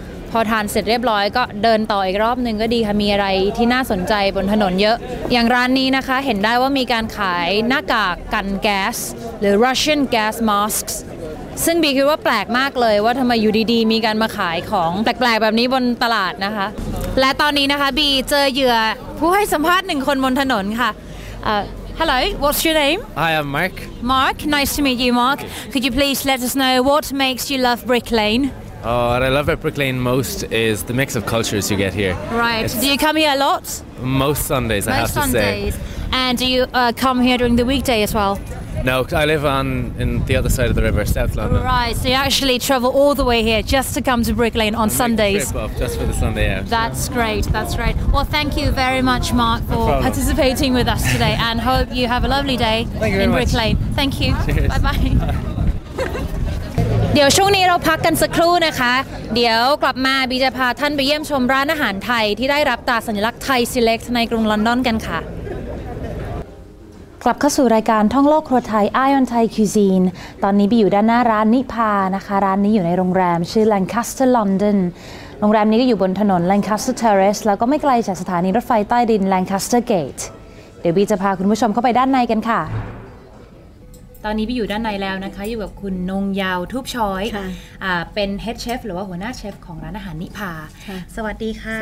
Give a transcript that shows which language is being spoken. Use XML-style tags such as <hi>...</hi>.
<th>พอทานเสร็จเรียบร้อยก็เดินต่ออีกรอบนึงก็ดีค่ะมีอะไรที่น่าสนใจบนถนนเยอะอย่างร้านนี้นะคะเห็นได้ว่ามีการขายหน้ากากกันแก๊สหรือ Russian Gas Masks ซึ่งบีคิดว่าแปลกมากเลยว่าทำไมอยู่ดีๆมีการมาขายของแปลกๆแบบนี้บนตลาดนะคะและตอนนี้นะคะบีเจอเหยื่อผู้ให้สัมภาษณ์หนึ่งคนบนถนนค่ะ</th> <en>Hello, what's your name? Hi, I'm Mark. Mark, nice to meet you, Mark. Could you please let us know what makes you love Brick Lane? Oh, what I love about Brick Lane most is the mix of cultures you get here. Right. Do you come here a lot? Most Sundays, I have to say. Most Sundays. And do you come here during the weekday as well? No, I live in the other side of the river, South London. Right, so you actually travel all the way here just to come to Brick Lane on Sundays. Make a trip up just for the Sunday, yeah. That's great, that's great. Well, thank you very much, Mark, for participating with us today and hope you have a lovely day in Brick Lane. Thank you. Bye-bye.</en> <th>เดี๋ยวช่วงนี้เราพักกันสักครู่นะคะเดี๋ยวกลับมาบีจะพาท่านไปเยี่ยมชมร้านอาหารไทยที่ได้รับตราสัญลักษณ์ไทยซีเล็กในกรุงลอนดอนกันค่ะ กลับเข้าสู่รายการท่องโลกครัวไทย Ion Thai Cuisine ตอนนี้บีอยู่ด้านหน้าร้านนิพานะคะร้านนี้อยู่ในโรงแรมชื่อ Lancaster London โรงแรมนี้ก็อยู่บนถนน Lancaster Terrace แล้วก็ไม่ไกลจากสถานีรถไฟใต้ดิน Lancaster Gate เดี๋ยวบีจะพาคุณผู้ชมเข้าไปด้านในกันค่ะตอนนี้บีอยู่ด้านในแล้วนะคะอยู่กับคุณนงยาวทูบช้อยเป็น Head Chef หรือว่าหัวหน้าเชฟของร้านอาหารนิพาสวัสดีค่ะ</th>